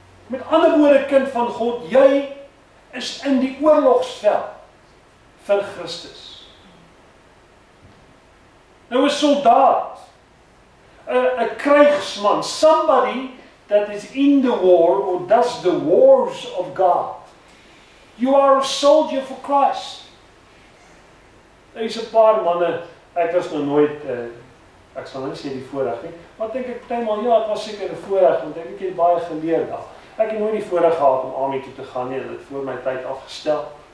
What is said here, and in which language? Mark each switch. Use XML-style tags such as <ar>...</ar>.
<af>Met ander woorde, kind van God, jy is in die oorlogsveld vir Christus. Nou, 'n soldaat, 'n krygsman,</af> <en>somebody that is in the war or does the wars of God. You are a soldier for Christ.</en> <af>Daar's 'n paar manne, ek was nog nooit, ek sal nie sê die voorreg nie, maar denk ek partymal, ja, ek was seker 'n voorreg, want ek het baie geleer daar. Ek het nooit die voorreg gehad om army toe te gaan nie, dit het voor my tyd afgestel.</af>